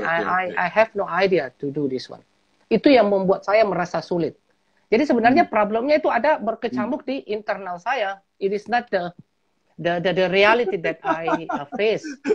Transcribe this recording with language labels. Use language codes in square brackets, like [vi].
[en] I have no idea to do this one. [id] Itu yang membuat saya merasa sulit. Jadi sebenarnya problemnya itu ada berkecamuk di internal saya. [en] It is not the reality that I face.